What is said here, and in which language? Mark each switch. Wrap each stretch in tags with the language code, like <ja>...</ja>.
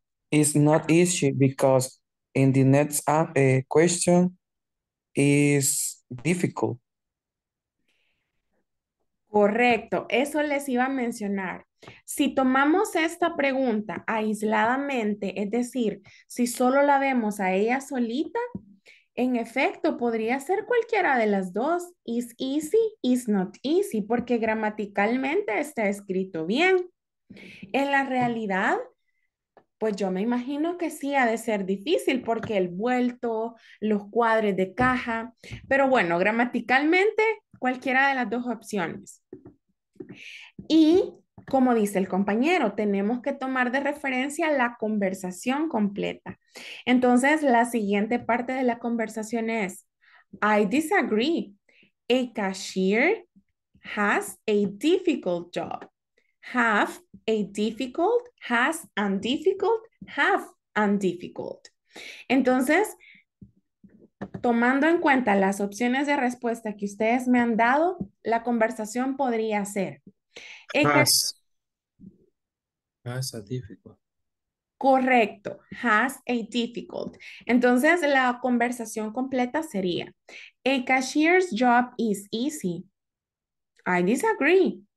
<en>It's not easy because in the next question is difficult.</en> <es>Correcto. Eso les iba a mencionar. Si tomamos esta pregunta aisladamente, es decir, si solo la vemos a ella solita, en efecto, podría ser cualquiera de las dos.</es> <en>Is easy, is not easy,</en> <es>porque gramaticalmente está escrito bien. En la realidad, pues yo me imagino que sí ha de ser difícil porque el vuelto, los cuadres de caja, pero bueno, gramaticalmente cualquiera de las dos opciones. Y como dice el compañero, tenemos que tomar de referencia la conversación completa. Entonces, la siguiente parte de la conversación es,</es> <en>I disagree. A cashier has a difficult job. Have a difficult, has and difficult, have and difficult.</en> <es>Entonces, tomando en cuenta las opciones de respuesta que ustedes me han dado, la conversación podría ser.</es> <en>Has a difficult.</en> <es>Correcto,</es> <en>has a difficult.</en> <es>Entonces la conversación completa sería,</es> <en>a cashier's job is easy. I disagree.</en>